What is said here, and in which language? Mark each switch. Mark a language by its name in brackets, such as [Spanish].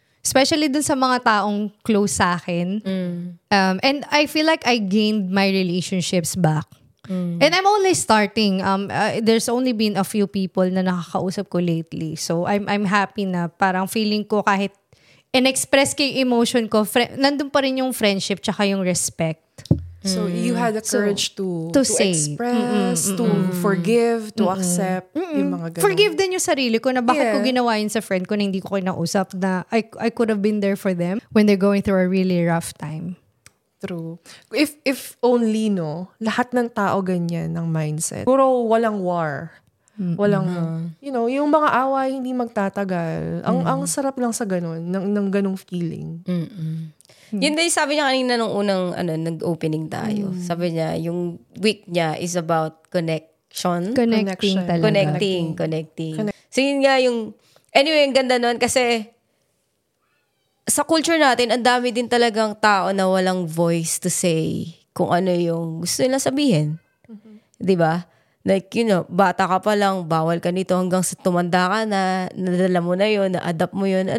[Filipino] Especially dun sa mga taong close sa akin. Mm. [English] And I feel like I gained my relationships back. And I'm only starting. There's only been a few people [Filipino] na nakakausap ko lately. [English] So I'm happy [Filipino] na parang feeling ko kahit in-express kay emotion ko, nandun pa rin yung friendship tsaka yung respect. [English] So you had the courage to say, express, to forgive, to accept [Filipino] yung mga ganun. Forgive din yung sarili ko na bakit ko ginawa yun sa friend ko na hindi ko kinausap, na [English] I could have been there for them when they're going through a really rough time. True. If only, [Filipino] no, lahat ng tao ganyan ng mindset. Puro walang war. Walang, [English] you know, [Filipino] yung mga away hindi magtatagal. Ang sarap lang sa ganun, ng ganung feeling. Yun din sabi niya kanina nung unang nag-opening tayo. Mm. Sabi niya, yung week niya is about connection. [English] Connecting. [Filipino] So yun nga yung, anyway, ang ganda nun kasi sa culture natin, ang dami din talagang tao na walang [English] voice to say [Filipino] kung ano yung gusto nila sabihin. Mm-hmm. Diba? [English] Like, you know, [Filipino] bata ka pa lang, bawal ka nito hanggang sa tumanda ka na, nadala mo na yun, na-adapt mo yun.